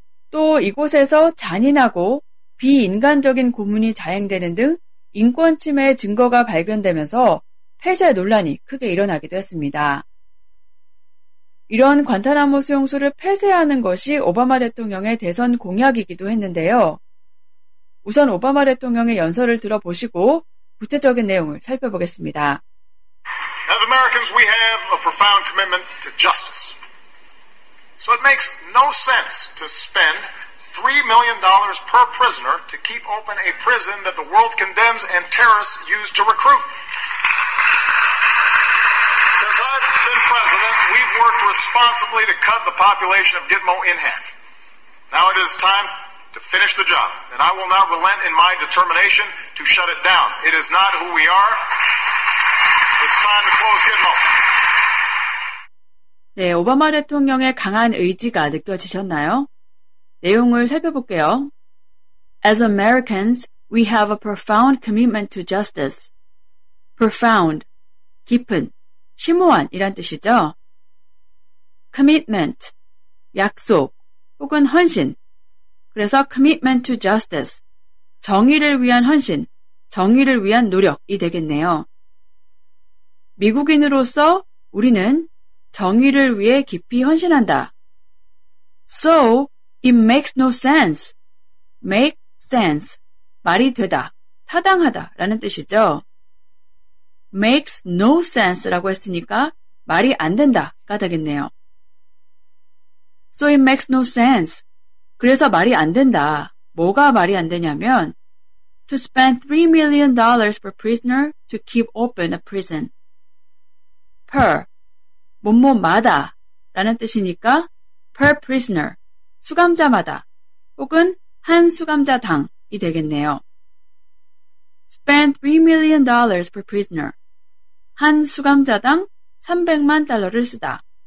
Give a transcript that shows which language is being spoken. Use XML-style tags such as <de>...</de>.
<ko>또 이곳에서 잔인하고 비인간적인 고문이 자행되는 등 인권침해의 증거가 발견되면서 폐쇄 논란이 크게 일어나기도 했습니다. 이런 관타나모 수용소를 폐쇄하는 것이 오바마 대통령의 대선 공약이기도 했는데요. 우선 오바마 대통령의 연설을 들어보시고 구체적인 내용을 살펴보겠습니다.</ko> <en>As Americans, we have a profound commitment to justice. So it makes no sense to spend $3 million per prisoner to keep open a prison that the world condemns and terrorists use to recruit. Since I've been president, we've worked responsibly to cut the population of Gitmo in half. Now it is time to finish the job, and I will not relent in my determination to shut it down. It is not who we are. It's time to close Gitmo.</en> <ko>네, 오바마 대통령의 강한 의지가 느껴지셨나요? 내용을 살펴볼게요.</ko> <en>As Americans, we have a profound commitment to justice.</en> <ko>Profound, 깊은, 심오한이란 뜻이죠. Commitment, 약속, 혹은 헌신. 그래서</ko> <en>commitment to justice,</en> <ko>정의를 위한 헌신, 정의를 위한 노력이 되겠네요. 미국인으로서 우리는 정의를 위해 깊이 헌신한다.</ko> <en>So, it makes no sense.</en> <ko>Make sense, 말이 되다, 타당하다 라는 뜻이죠.</ko> <en>Makes no sense</en> <ko>라고 했으니까 말이 안 된다가 되겠네요.</ko> <en>So, it makes no sense.</en> <ko>그래서 말이 안 된다. 뭐가 말이 안 되냐면</ko> <en>to spend $3 million per prisoner to keep open a prison.</en> <ko>per 뭐뭐마다 라는 뜻이니까</ko> <en>per prisoner</en> <ko>수감자마다 혹은 한 수감자당이 되겠네요.</ko> <en>spend $3 million per prisoner</en> <ko>한 수감자당 300만 달러를 쓰다.</ko>